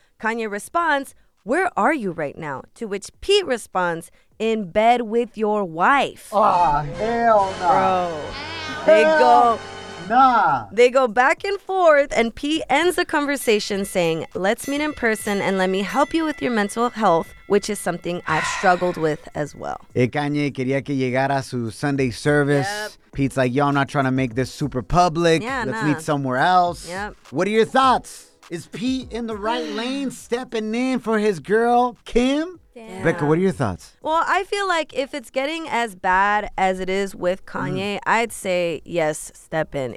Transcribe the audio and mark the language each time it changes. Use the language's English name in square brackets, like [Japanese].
[English] Kanye responds, "Where are you right now?" To which Pete responds, "In bed with your wife." Oh, hell no. Bro. Hell they go. Nah. They go back and forth, and Pete ends the conversation saying, "Let's meet in person and let me help you with your mental health, which is something I've struggled with as well." [Spanish] Hey, Kanye quería que llegara su Sunday service. [English] Yep. Pete's like, "Yo, I'm not trying to make this super public. Yeah, let's meet somewhere else." Yep. What are your thoughts? Is Pete in the right lane stepping in for his girl, Kim? Damn. Becca, what are your thoughts? Well, I feel like if it's getting as bad as it is with Kanye, I'd say, yes, step in.